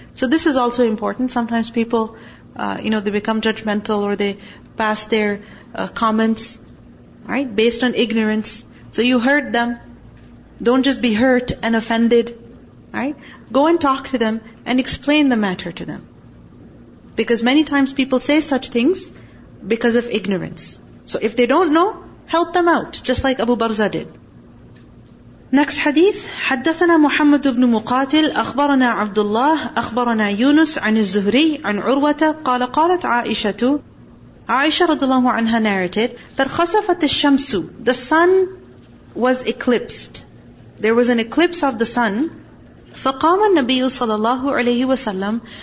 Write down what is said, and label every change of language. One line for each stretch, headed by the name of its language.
English: So this is also important. Sometimes people, they become judgmental, or they pass their comments, right, based on ignorance. So you heard them. Don't just be hurt and offended. Right? Go and talk to them and explain the matter to them. Because many times people say such things because of ignorance. So if they don't know, help them out, just like Abu Barza did. Next hadith,
Arabic: حدثنا محمد بن مقاتل أخبرنا عبد الله أخبرنا يونس عن الزهري عن عروة قال قالت عائشة.
English: Aisha radiallahu anha narrated that
Arabic: خسفت الشمس,
English: the sun was eclipsed. There was an eclipse of the sun.
Arabic: فقام النبي صلى الله عليه وسلم.